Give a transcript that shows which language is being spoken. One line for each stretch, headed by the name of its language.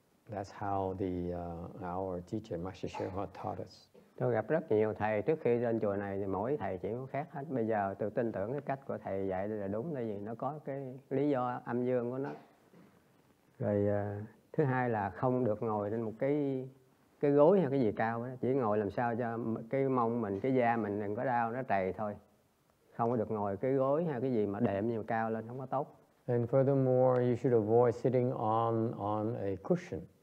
English: That's how the our teacher Master Shenghua taught us.
Vietnamese: Tôi gặp rất nhiều thầy trước khi lên chùa này thì mỗi thầy chỉ có khác hết. Bây giờ tôi tin tưởng cái cách của thầy dạy là đúng, tại vì nó có cái lý do âm dương của nó. Rồi thứ hai là không được ngồi lên một cái gối hay cái gì cao đó, chỉ ngồi làm sao cho cái mông mình, cái da mình đừng có đau, nó trầy thôi. Không có được ngồi cái gối hay cái gì mà đệm nhiều cao lên, không có tốt.
English: And furthermore, you should avoid sitting on a cushion.